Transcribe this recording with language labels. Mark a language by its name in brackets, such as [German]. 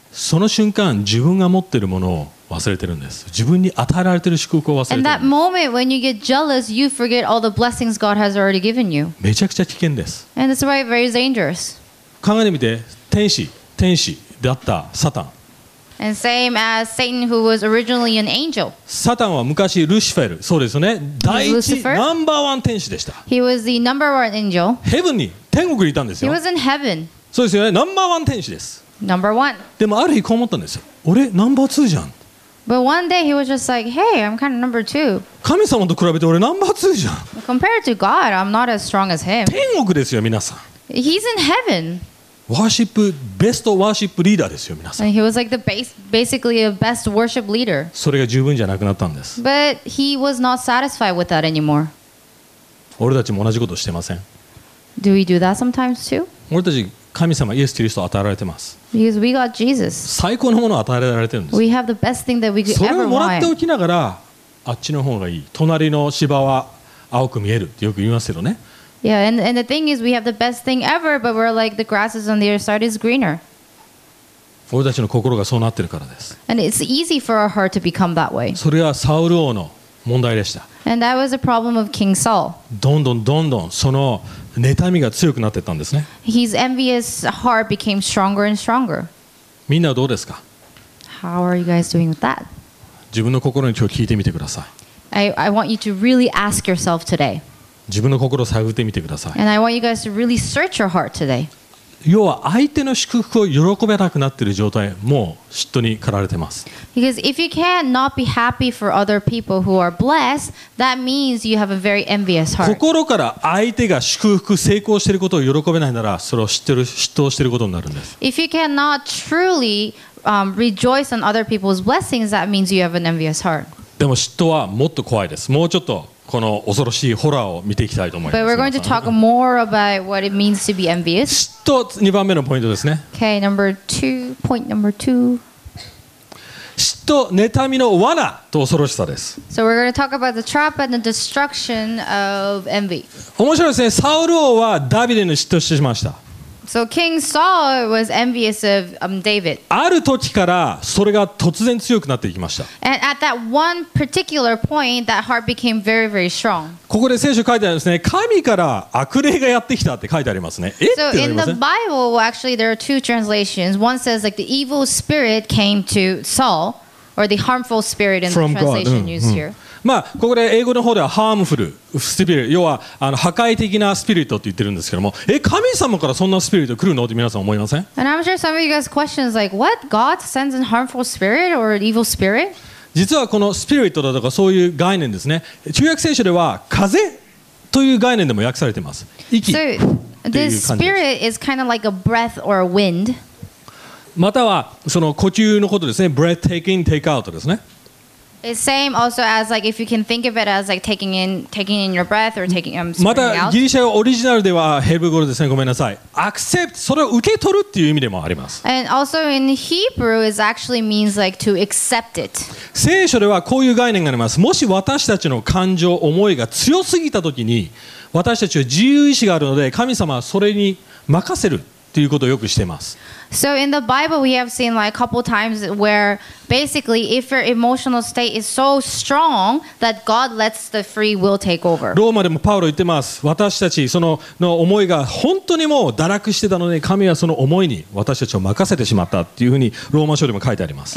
[Japanese] その瞬間、自分が持ってるものを忘れてるんです。自分に与えられてる祝福を忘れてる。 [English] And that moment when you get jealous, you forget all the blessings God has already given you. [Japanese] めちゃくちゃ危険です。 [English] And that's why it's very dangerous. [Japanese] 考えてみて、天使だったサタン。 [English] And same as Satan, who was originally an angel. [Japanese] サタンは昔ルシファル、そうですよね。第一ナンバーワン天使でした。 [English] He was the number one angel. [Japanese] ヘブンに、天国にいたんですよ。 [English] He was in heaven. [Japanese] そうですよね、ナンバーワン天使です。 [English] Number one. [Japanese] でもある日こう思ったんですよ。俺ナンバーツーじゃん。 [English] But one day he was just like, hey, I'm kind of number two. [Japanese] 神様と比べて俺ナンバーツーじゃん。 [English] Compared to God, I'm not as strong as him. [Japanese] 天国ですよ、皆さん。 [English] He's in heaven. [Japanese] ワーシップベストワーシップリーダーですよ皆さん。 [English] And he was like the basically a best worship leader. [Japanese] それが十分じゃなくなったんです。 [English] But he was not satisfied with that anymore. [Japanese] 俺たちも同じことしてません。 [English] Do we do that sometimes too? [Japanese] 俺たち神様イエス・キリストを与えられてます。 [English] Because we got Jesus. [Japanese] 最高のものを与えられてるんです。 [English] We have the best thing that we could ever want. [Japanese] それをもらっておきながらあっちの方がいい。隣の芝は青く見えるってよく言いますけどね。 [English] Yeah, and the thing is, we have the best thing ever, but we're like, the grass is on the other side is greener. [Japanese] 俺たちの心がそうなってるからです。 [English] And it's easy for our heart to become that way. [Japanese] それはサウル王の問題でした。 [English] And that was a problem of King Saul. [Japanese] どんどんどんどんその妬みが強くなってったんですね。 [English] His envious heart became stronger and stronger. [Japanese] みんなどうですか? [English] How are you guys doing with that? [Japanese] 自分の心に今日聞いてみてください。 [English] I want you to really ask yourself today. [Japanese] 自分の心を探ってみてください。 [English] And I want you guys to really search your heart today. [Japanese] 要は相手の祝福を喜べなくなっている状態、もう嫉妬に駆られてます。 [English] Because if you cannot be happy for other people who are blessed, that means you have a very envious heart. [Japanese] 心から相手が祝福成功していることを喜べないなら、それを知ってる嫉妬していることになるんです。 [English] If you cannot truly rejoice on other people's blessings, that means you have an envious heart. [Japanese] でも嫉妬はもっと怖いです。もうちょっとこの恐ろしいホラーを見ていきたいと思います。 [English] But we're going to talk more about what it means to be envious. [Japanese] 嫉妬、2番目のポイントですね。 [English] Okay, number two, point number two. [Japanese] 嫉妬、妬みの罠と恐ろしさです。 [English] So we're going to talk about the trap and the destruction of envy. [Japanese] 面白いですね。サウル王はダビデに嫉妬してしまいました。 [English] So King Saul was envious of David. [Japanese] ある時からそれが突然強くなっていきました。 [English] And at that one particular point, that heart became very, very strong. [Japanese] ここで聖書書いてあるんですね。神から悪霊がやってきたって書いてありますね。 [English] So in the Bible, actually, there are two translations. One says like the evil spirit came to Saul, or the harmful spirit in the translation used here. [Japanese] まあ、ここで英語の方では [English] harmful spirit [Japanese] 要は破壊的なスピリットと言ってるんですけども、え、神様からそんなスピリット来るのって皆さん思いません？ [English] And I'm sure some of you guys questions like, what? God sends a harmful spirit or an evil spirit? [Japanese] 実はこのスピリットだとかそういう概念ですね、旧約聖書では風という概念でも訳されています。息という感じです。 [English] So, this spirit is kind of like a breath or a wind. [Japanese] またはその呼吸のことですね。 [English] Breath take in, take out [Japanese] ですね。 [English] It's same also as like if you can think of it as like taking in your breath or taking spreading out. [Japanese] またギリシャオリジナルではヘブル語ですね。ごめんなさい。Accept それを受け取るっていう意味でもあります。 [English] And also in Hebrew it actually means like to accept it. [Japanese] 聖書ではこういう概念があります。もし私たちの感情思いが強すぎた時に私たちは自由意志があるので神様はそれに任せるということをよくしています。 [English] So in the Bible we have seen like a couple times where basically if your emotional state is so strong that God lets the free will take over. [Japanese] ローマでもパウロ言ってます。私たちその思いが本当にもう堕落してたのに神はその思いに私たちを任せてしまったっていうふうにローマ書でも書いてあります。